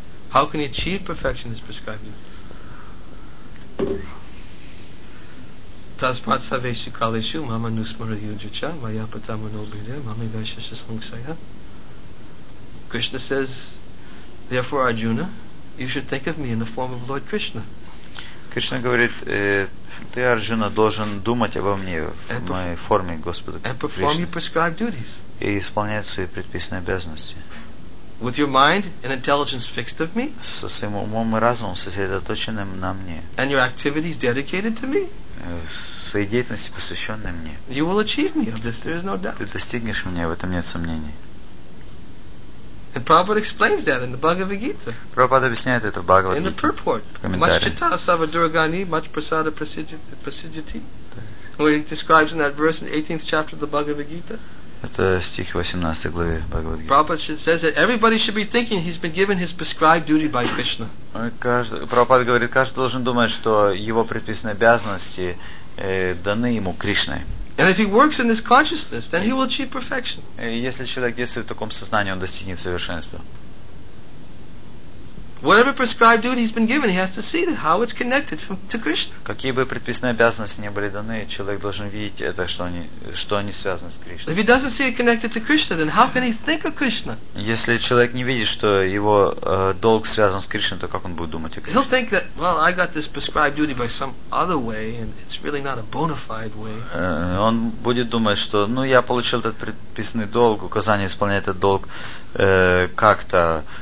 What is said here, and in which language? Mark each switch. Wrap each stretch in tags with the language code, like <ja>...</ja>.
<en>How can he achieve perfection as prescribed duties? Krishna says, therefore Arjuna, you should think of me in the form of Lord Krishna.</en> <ru>Krishna говорит, ты, Арджуна, должен думать обо мне в моей форме Господа Кришны.</ru> <en>And perform your prescribed duties.</en> <ru>И исполнять свои предписанные обязанности.</ru> <en>With your mind and intelligence fixed of me.</en> <ru>Со своим умом и разумом сосредоточенным на мне.</ru> <en>And your activities dedicated to me.</en> <ru>Своей деятельности, посвященной мне.</ru> <en>You will achieve me of this, there is no doubt.</en> <ru>Ты достигнешь меня, в этом нет сомнений.</ru> <en>And Prabhupada explains that in the Bhagavad Gita.</en> <ru>Прабхупада объясняет это в Бхагавад-гите.</ru> <en>In the purport. Much chitta sava durgani, much prasada prasidyati. Where he describes in that verse in the 18th chapter of the Bhagavad Gita.</en> <ru>Это стих 18 главы Бхагавад Гиты.</ru> <en>Prabhupada says that everybody should be thinking he's been given his prescribed duty by Krishna.</en> <ru>Prabhupada говорит, каждый должен думать, что его предписанные обязанности даны ему Кришной.</ru> <en>And if he works in this consciousness, then he will achieve perfection.</en> <ru>Если человек действует в таком сознании, он достигнет совершенства.</ru> <en>Whatever prescribed duty he's been given, he has to see how it's connected to Krishna.</en> <ru>Какие бы предписанные обязанности не были даны, человек должен видеть это, что они связаны с Кришной.</ru> <en>If he doesn't see it connected to Krishna, then how can he think of Krishna?</en> <ru>Если человек не видит, что его долг связан с Кришной, то как он будет думать о Кришне?</ru> <en>He'll think that, well, I got this prescribed duty by some other way, and it's really not a bona fide way.</en> <ru>Он будет думать, что, ну, я получил этот предписанный долг, указание исполнять этот долг как-то.</ru>